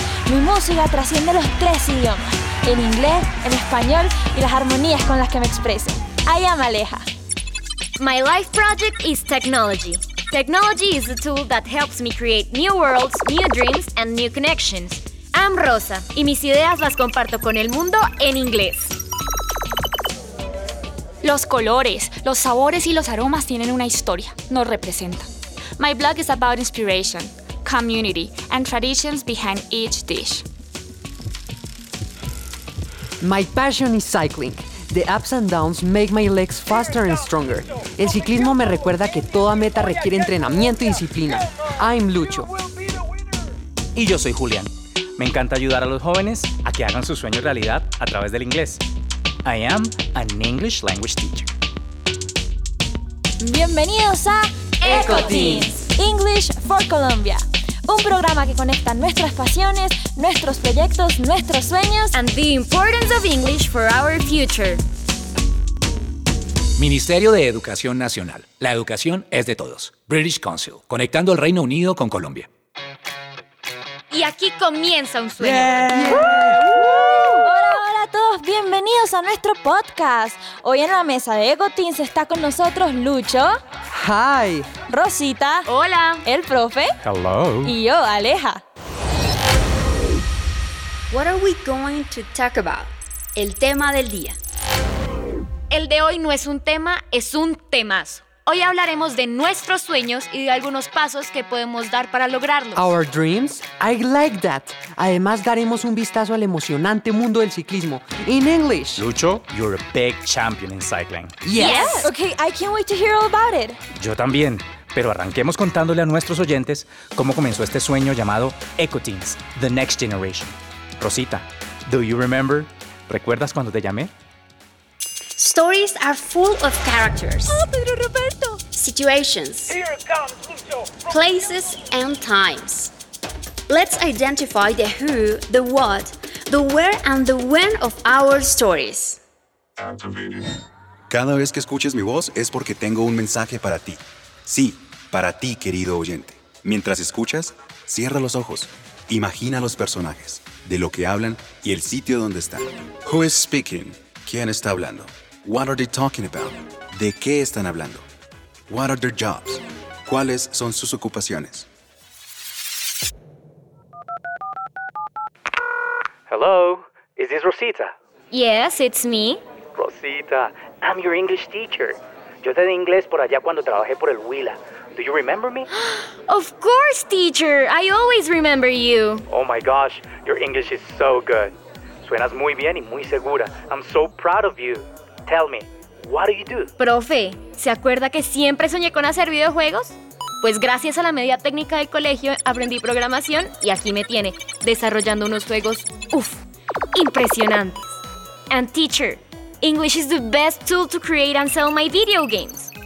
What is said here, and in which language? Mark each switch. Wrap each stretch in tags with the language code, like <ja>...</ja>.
<es>Mi música trasciende los tres idiomas, en inglés, en español y las armonías con las que me expreso.</es> <en>I am Aleja. My life project is technology. Technology is a tool that helps me create new worlds, new dreams, and new connections. I'm Rosa,</en> <es>y mis ideas las comparto con el mundo en inglés. Los colores, los sabores y los aromas tienen una historia, nos representan.</es> <en>My blog is about inspiration, community, and traditions behind each dish. My passion is cycling. The ups and downs make my legs faster and stronger.</en> <es>El ciclismo me recuerda que toda meta requiere entrenamiento y disciplina.</es> <en>I'm Lucho.</en> <es>Y yo soy Julián. Me encanta ayudar a los jóvenes a que hagan sus sueños realidad a través del inglés.</es> <en>I am an English language teacher.</en> <es>Bienvenidos a EcoTeens,</es> <en>English for Colombia.</en> <es>Un programa que conecta nuestras pasiones, nuestros proyectos, nuestros sueños</es> <en>and the importance of English for our future.</en> <es>Ministerio de Educación Nacional. La educación es de todos. British Council. Conectando el Reino Unido con Colombia. Y aquí comienza un sueño.</es> <en>Yeah. Yeah.</en> <es>Hola, hola a todos. Bienvenidos a nuestro podcast. Hoy en la mesa de EcoTeens está con nosotros Lucho.</es> <en>Hi.</en> <es>Rosita. Hola. El profe.</es> <en>Hello.</en> <es>Y yo, Aleja.</es> <en>What are we going to talk about?</en> <es>El tema del día. El de hoy no es un tema, es un temazo. Hoy hablaremos de nuestros sueños y de algunos pasos que podemos dar para lograrlos.</es> <en>Our dreams? I like that.</en> <es>Además, daremos un vistazo al emocionante mundo del ciclismo.</es> <en>In English. Lucho, you're a big champion in cycling. Yes. Okay, I can't wait to hear all about it.</en> <es>Yo también. Pero arranquemos contándole a nuestros oyentes cómo comenzó este sueño llamado EcoTeens, The Next Generation. Rosita,</es> <en>do you remember?</en> <es>¿Recuerdas cuando te llamé?</es> <en>Stories are full of characters. Oh, Pedro Roberto! Situations. Here it comes, Lucho! Places and times. Let's identify the who, the what, the where and the when of our stories.</en> <es>Cada vez que escuches mi voz es porque tengo un mensaje para ti. Sí, para ti, querido oyente. Mientras escuchas, cierra los ojos. Imagina los personajes, de lo que hablan y el sitio donde están.</es> <en>Who is speaking?</en> <es>¿Quién está hablando?</es> <en>What are they talking about?</en> <es>¿De qué están hablando?</es> <en>What are their jobs?</en> <es>¿Cuáles son sus ocupaciones?</es> <en>Hello, is this Rosita? Yes, it's me. Rosita, I'm your English teacher.</en> <es>Yo te di inglés por allá cuando trabajé por el Huila.</es> <en>Do you remember me? Of course, teacher. I always remember you. Oh my gosh, your English is so good.</en> <es>Suenas muy bien y muy segura.</es> <en>I'm so proud of you. Tell me, what do you do?</en> <es>Profe, ¿se acuerda que siempre soñé con hacer videojuegos? Pues gracias a la media técnica del colegio aprendí programación y aquí me tiene, desarrollando unos juegos, uff, impresionantes.</es> <en>And teacher, English is the best tool to create and sell my video games.</en>